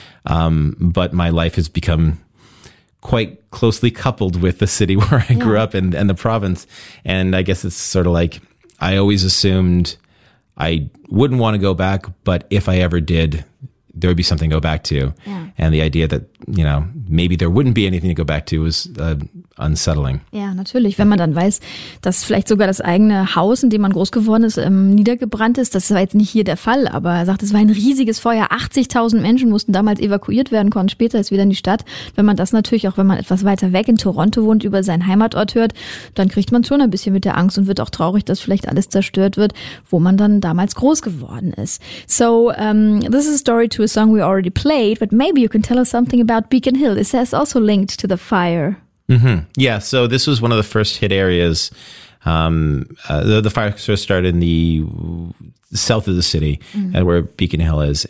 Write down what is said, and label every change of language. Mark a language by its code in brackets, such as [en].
[en] But my life has become quite closely coupled with the city where I grew up and the province. And I guess it's sort of like, I always assumed I wouldn't want to go back, but if I ever did, there would be something to go back to. Yeah. And the idea that, you know, maybe there wouldn't be anything to go back to was unsettling. [de] Ja, natürlich. Wenn man dann weiß, dass vielleicht sogar das eigene Haus, in dem man groß geworden ist, niedergebrannt ist. Das war jetzt nicht hier der Fall, aber er sagt, es war ein riesiges Feuer. 80.000 Menschen mussten damals evakuiert werden, konnten später ist wieder in die Stadt. Wenn man das natürlich, auch wenn man etwas weiter weg in Toronto wohnt, über seinen Heimatort hört, dann kriegt man schon ein bisschen mit der Angst und wird auch traurig, dass vielleicht alles zerstört wird, wo man dann damals groß geworden ist. [en] So, this is a story to a song we already played, but maybe you can tell us something about Beacon Hill. It says also linked to the fire. Mm-hmm. Yeah, so this was one of the first hit areas. The fire sort of started in the south of the city, where Beacon Hill is.